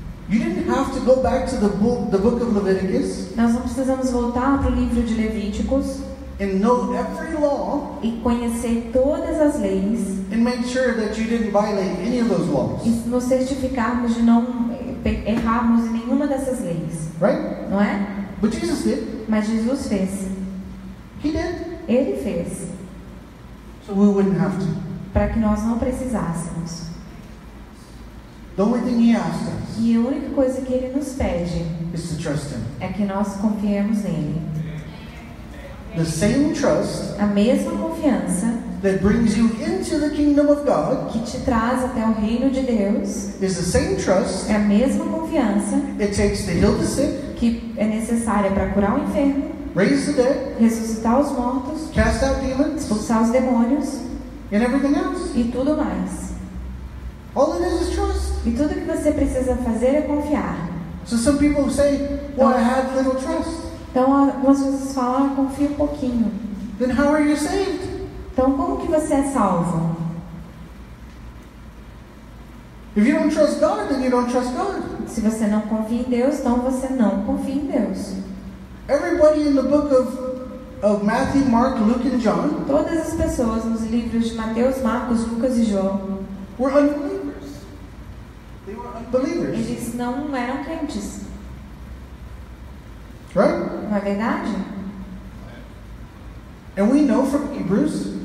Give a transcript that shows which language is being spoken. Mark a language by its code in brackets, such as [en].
[en] You didn't have to go back to the book of Leviticus. [pt] Nós não precisamos voltar para o livro de Levíticos. [en] And know every law. [pt] E conhecer todas as leis. [en] And make sure that you didn't violate any of those laws. [pt] E nos certificarmos de não errarmos em nenhuma dessas leis. [en] Right? [pt] Não é? [en] But Jesus did. [pt] Mas Jesus fez. [en] He did. [pt] Ele fez. [en] So we wouldn't have to. [pt] Para que nós não precisássemos. [en] The only thing he asks us. [pt] E a única coisa que ele nos pede. [en] Is to trust him. [pt] É que nós confiemos nele. [en] The same trust. [pt] A mesma confiança. [en] That brings you into the kingdom of God. [pt] Que te traz até o reino de Deus. [en] Is the same trust. [pt] É a mesma confiança. [en] It takes to heal the sick. [pt] Que é necessária para curar o enfermo. [en] Raise the dead. [pt] Ressuscitar os mortos. [en] Cast out demons. [pt] Expulsar os demônios. [en] And everything else. [pt] E tudo mais. [en] All it is trust. [pt] E tudo que você precisa fazer é confiar. [en] So some people say, "Well, I have little trust." [pt] Então, algumas pessoas falam, eu confio um pouquinho. [en] Then how are you saved? [pt] Então, como que você é salvo? [en] If you don't trust God, then you don't trust God. [pt] Se você não confia em Deus, então você não confia em Deus. [en] Everybody in the book of Matthew, Mark, Luke, and John. [pt] Todas as pessoas nos livros de Mateus, Marcos, Lucas e João. [en] Were unbelievers. They were unbelievers. [pt] Eles não eram crentes. [en] Right? [pt] Não é verdade? [en] And we know from Hebrews.